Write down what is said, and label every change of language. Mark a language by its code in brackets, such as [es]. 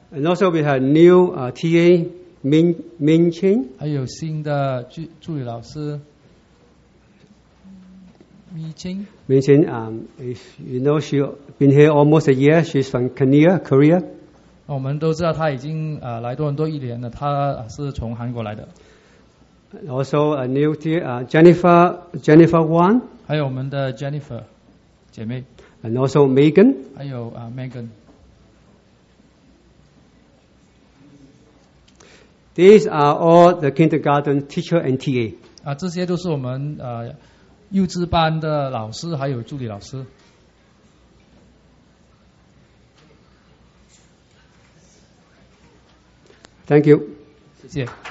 [en] And also we have new TA, Ming Qing. [zh] 还有新的助理老师, Ming Qing. [en] Ming Qing, if you know, she's been here almost a year. She's from Korea. Korea. [zh] 我们都知道他已经来多伦多一年了, 他是从韩国来的。 [en] Also a new TA, Jennifer Wan. [zh] 还有我们的Jennifer 姐妹。 [en] And also Megan. [zh] 还有Megan. [en] These are all the kindergarten teacher and TA. [zh] 这些都是我们幼稚班的老师还有助理老师。 [en] Thank you. [zh] 谢谢。